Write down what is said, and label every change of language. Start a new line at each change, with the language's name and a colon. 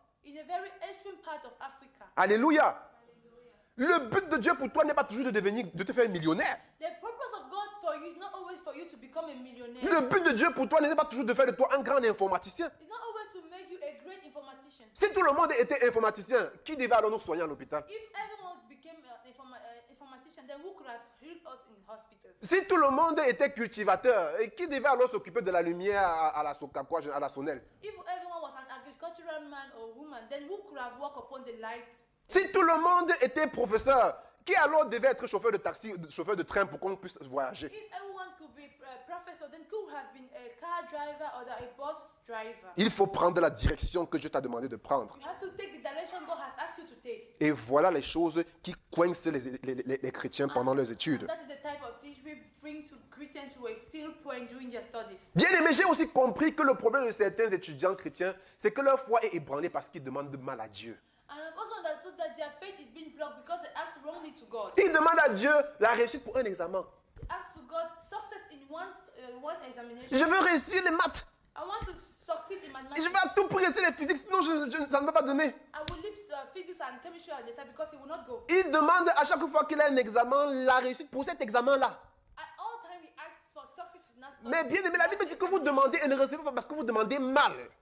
English: In a very extreme part of Africa. Alléluia. Alléluia.
French: Le but de Dieu pour toi n'est pas toujours de te faire millionnaire.
English: The purpose of God for you is not always for you to become a millionaire.
French: Le but de Dieu pour toi n'est pas toujours de faire de toi un grand informaticien.
English: It's not always to make you a great informatician.
French: Si tout le monde était informaticien, qui devait alors nous soigner à l'hôpital?
English: If everyone became an informatician, then who could have healed us in hospitals?
French: Si tout le monde était cultivateur, qui devait alors s'occuper de la lumière à la sonnelle?
English: If everyone was an agricultural man or woman, then who could have worked upon the light?
French: Si tout le monde était professeur, qui alors devait être chauffeur de taxi, chauffeur de train pour qu'on puisse voyager?
English: If everyone could be a professor, then who would have been a car driver or a bus driver?
French: Il faut prendre la direction que Dieu t'a demandé de prendre.
English: You have to take the direction God has asked you to take.
French: Et voilà les choses qui coincent les chrétiens pendant leurs études.
English: And that is the type of things we bring to Christians who are still poor during their studies.
French: Bien aimé, j'ai aussi compris que le problème de certains étudiants chrétiens, c'est que leur foi est ébranlée parce qu'ils demandent de mal à Dieu.
English: And I've also understood that their faith is being blocked because they ask wrongly to God.
French: Ils demandent à Dieu la réussite pour un examen.
English: Ask to God success in one examination.
French: Je veux réussir les maths.
English: I want to succeed in mathematics.
French: Et je veux à tout prix réussir les physiques, sinon ça ne va pas donner.
English: I will leave physics and chemistry at the side because it will not go.
French: Ils demandent à chaque fois qu'il a un examen la réussite pour cet examen-là.
English: At all time we ask for success in mathematics.
French: Mais bien aimé, la Bible dit que vous demandez et ne recevez pas parce que vous demandez mal.